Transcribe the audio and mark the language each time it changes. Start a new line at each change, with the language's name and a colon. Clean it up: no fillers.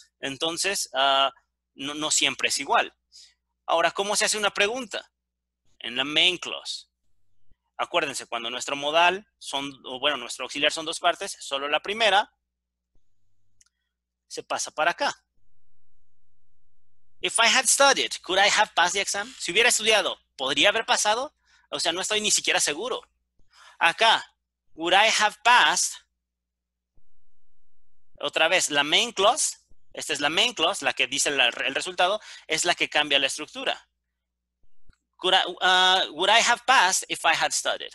Spanish: Entonces, no siempre es igual. Ahora, ¿cómo se hace una pregunta? En la main clause. Acuérdense, cuando nuestro modal son, o bueno, nuestro auxiliar son dos partes, solo la primera se pasa para acá.
English: If I had studied, could I have passed the exam?
Spanish: Si hubiera estudiado, ¿podría haber pasado? O sea, no estoy ni siquiera seguro.
English: Acá, would I have passed?
Spanish: Otra vez, la main clause. Esta es la main clause, la que dice el resultado, es la que cambia la estructura.
English: Would I have passed if I had studied?